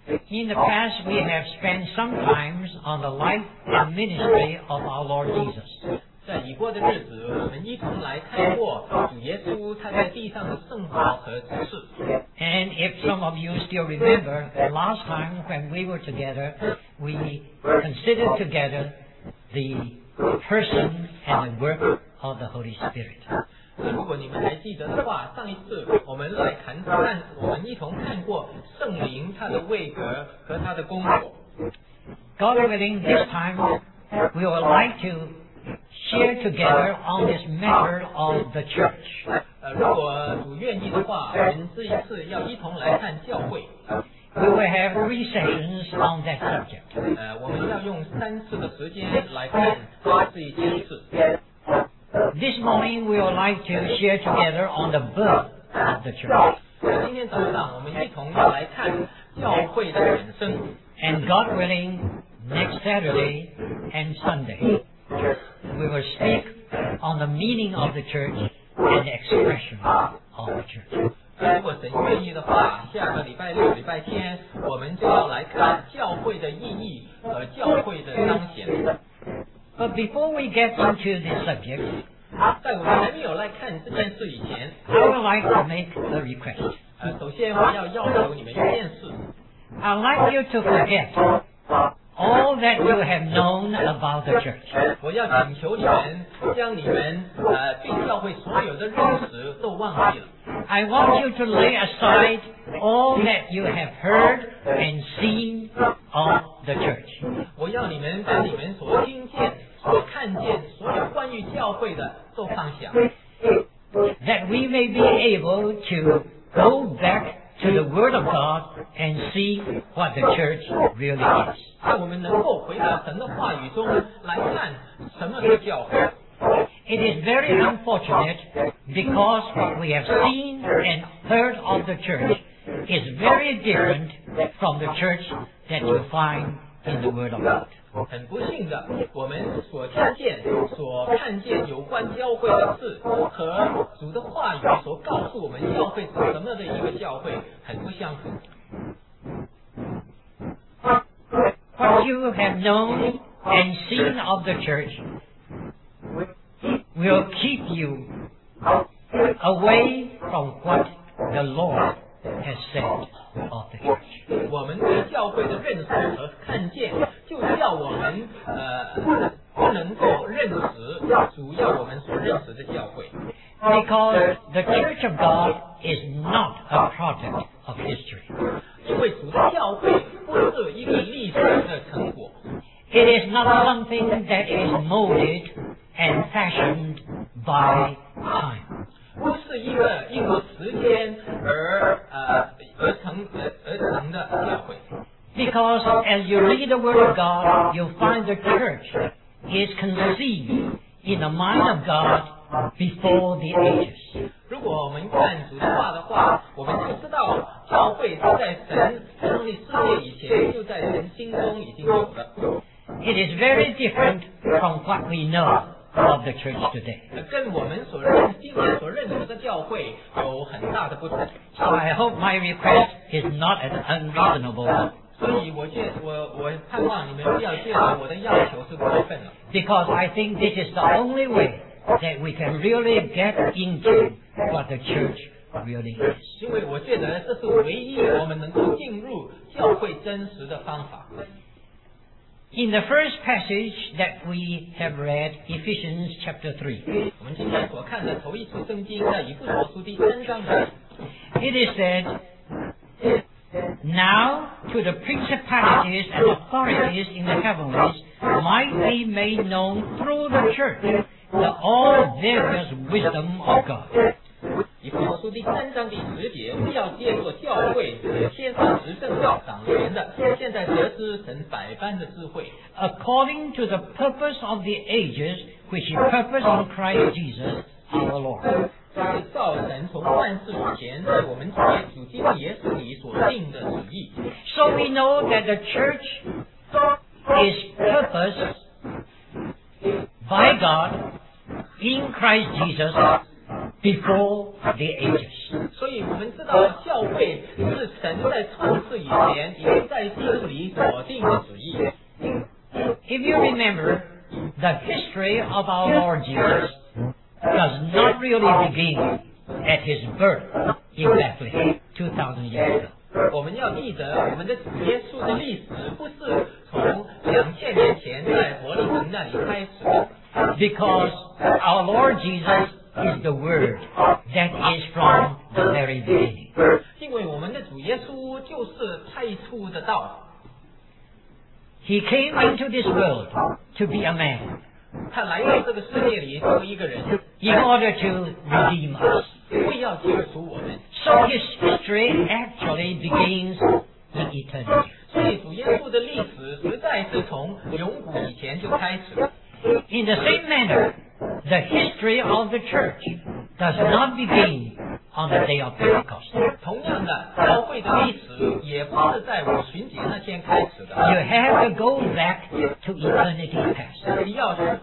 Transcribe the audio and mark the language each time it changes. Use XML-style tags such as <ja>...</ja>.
<en>In the past, we have spent some time on the life and ministry of our Lord Jesus.</en> <zh>在已过的日子，我们一同来看过主耶稣他在地上的圣活和职事。</zh> <en>And if some of you still remember, last time when we were together, we considered together the person and the work of the Holy Spirit.</en> <zh>如果你们还记得的话，上一次我们来谈谈，我们一同看过圣灵他的位格和他的工作。</zh> <en>God willing, this time we would like to share together on this matter of the church.</en> <zh>如果主愿意的话，我们这一次要一同来看教会。</zh> <en>We will have three sessions on that subject.</en> <zh>我们要用三次的时间来看关于这一件事。</zh> <en>This morning we would like to share together on the birth of the church.</en> <zh>今天早上我们一同要来看教会的诞生。</zh> <en>And God willing, next Saturday and Sunday, we will speak on the meaning of the church and the expression of the church.</en> <zh>如果神愿意的话，下个礼拜六、礼拜天，我们就要来看教会的意义和教会的彰显。</zh> <en>But before we get into this subject,</en> <zh>在我们还没有来看这件事以前，</zh> <en>I would like to make a request.</en> <zh>首先我要要求你们一件事。</zh> <en>I'd like you to forget all that you have known about the church.</en> <zh>我要请求你们将你们对教会所有的认识都忘记了。</zh> <en>I want you to lay aside all that you have heard and seen of the church.</en> <zh>我要你们把你们所听见、所看见、所有关于教会的都放下。</zh> <en>That we may be able to go back to the Word of God and see what the church really is.</en> <zh>让我们能够回到神的话语中来看什么是教会。</zh> <en>It is very unfortunate because what we have seen and heard of the church is very different from the church that you find in the Word of God.</en> <zh>很不幸的，我们所听见、所看见有关教会的事和主的话语所告诉我们教会是什么的一个教会很不相符。</zh> <en>What you have known and seen of the church will keep you away from what the Lord has said of the church.</en> <zh>我们对教会的认识和看见，就要我们不能够认识主要我们所认识的教会。</zh> <en>Because the Church of God is not a product of history.</en> <zh>因为主的教会不是一个历史的成果。</zh> <en>It is not something that is molded and fashioned by time.</en> <zh>不是一个因为时间而成的教会。</zh> <en>Because as you read the Word of God, you find the church is conceived in the mind of God before the ages.</en> <zh>如果我们看主的话的话，我们就知道教会是在神创立世界以前就在神心中已经有的。</zh> <en>It is very different from what we know of the church today.</en> <zh>跟我们所认今天所认识的教会有很大的不同。</zh> <en>So I hope my request is not an unreasonable one.</en> <zh>所以我盼望你们不要觉得我的要求是过分了。</zh> <en>Because I think this is the only way that we can really get into what the church really is.</en> <zh>因为我觉得这是唯一我们能够进入教会真实的方法。</zh> <en>In the first passage that we have read, Ephesians chapter 3,</en> <zh>我们今天所看的头一处圣经在以弗所书第三章里，</zh> <en>it is said, Now to the principalities and authorities in the heavenlies might be made known through the church the all various wisdom of God.</en> <zh>以弗所书第三章第十节，必要借着教会天上执政教掌权的，现在得知神百般的智慧。</zh> <en>According to the purpose of the ages, which he purposed in Christ Jesus, our Lord.</en> <zh>就是照神从万世以前在我们主耶稣基督耶稣里所定的旨意。</zh> <en>So we know that the church is purposed by God in Christ Jesus. Before the ages.</en> <zh>所以我们知道教会是神在创世以前已经在基督里所定的旨意。</zh> <en>If you remember, the history of our Lord Jesus does not really begin at his birth in Bethlehem 2000 years ago.</en> <zh>我们要记得我们的主耶稣的历史不是从2000年前在伯利恒那里开始的。</zh> <en>Because our Lord Jesus is the word that is from the very beginning.</en> <zh>因为我们的主耶稣就是太初的道。</zh> <en>He came into this world to be a man.</en> <zh>他来到这个世界里做一个人。</zh> <en>In order to redeem us.</en> <zh>为要救赎我们。</zh> <en>So his history actually begins in eternity.</en> <zh>所以主耶稣的历史实在是从永古以前就开始了。</zh> <en>In the same manner, the history of the church does not begin on the day of Pentecost.</en> <zh>同样的，教会的历史也不是在五旬节那天开始的。</zh> <en>You have to go back to eternity past.</en>